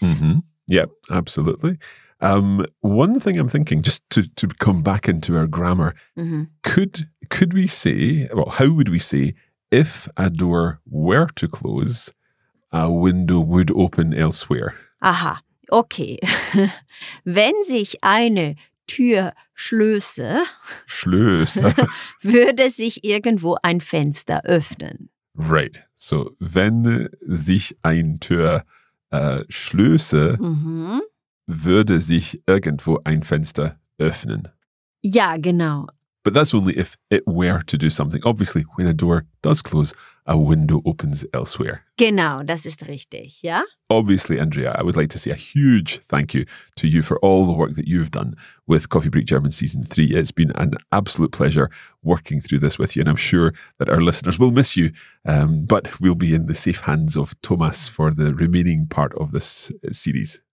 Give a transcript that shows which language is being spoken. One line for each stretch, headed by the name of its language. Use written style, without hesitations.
English: Mm-hmm. Yeah, absolutely. One thing I'm thinking, just to come back into our grammar, could we say, well, how would we say, if a door were to close, a window would open elsewhere. Aha, okay.
German: Wenn sich eine Tür schlöße, würde sich irgendwo ein Fenster öffnen.
English: Right, so
German: wenn sich ein Tür schlöße, würde sich irgendwo ein Fenster öffnen. Ja, genau.
English: But that's only if it were to do something. Obviously, when a door does close, a window opens elsewhere.
German: Genau, das ist richtig, ja?
English: Obviously, Andrea, I would like to say a huge thank you to you for all the work that you've done with Coffee Break German Season 3. It's been an absolute pleasure working through this with you, and I'm sure that our listeners will miss you, but we'll be in the safe hands of Thomas for the remaining part of this series.